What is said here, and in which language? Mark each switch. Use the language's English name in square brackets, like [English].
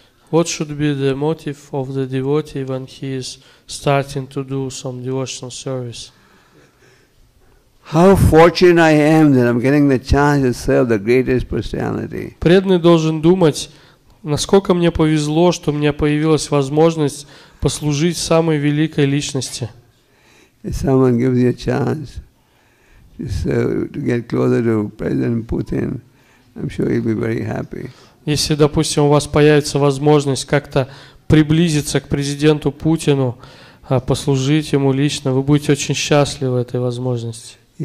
[English] What should be the motive of the devotee when he is starting to do some devotional service? How fortunate I am that I'm getting the chance to serve the greatest personality. [Russian] Преданный должен думать, насколько мне повезло, что у меня появилась возможность послужить самой великой личности. [English] If someone gives you a chance to serve, to get closer to President Putin, I'm sure he'll be very happy. [Russian] Если, допустим, у вас появится возможность как-то приблизиться к президенту Путину, послужить ему лично, вы будете очень счастливы этой возможности.